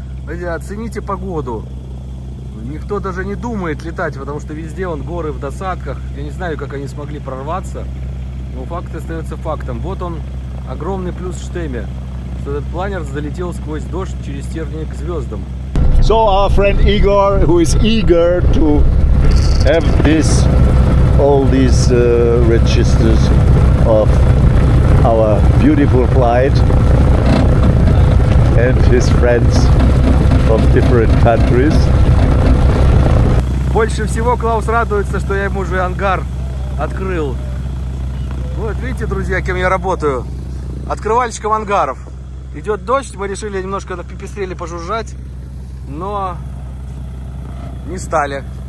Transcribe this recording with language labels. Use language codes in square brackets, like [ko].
[ru] Друзья, оцените погоду. Никто даже не думает летать, потому что везде он горы в досадках. Я не знаю, как они смогли прорваться, но факт остается фактом. Вот он, огромный плюс Stemme, что этот планер залетел сквозь дождь через тернии к звездам. [en] So our friend Igor, who is eager to have this, all these registers of our beautiful flight, and his friends from different countries. [ru] Больше всего Клаус радуется, что я ему уже ангар открыл. Вот видите, друзья, кем я работаю? Открывальщиком ангаров. Идет дождь, мы решили немножко на пипистрели пожужжать, но не стали.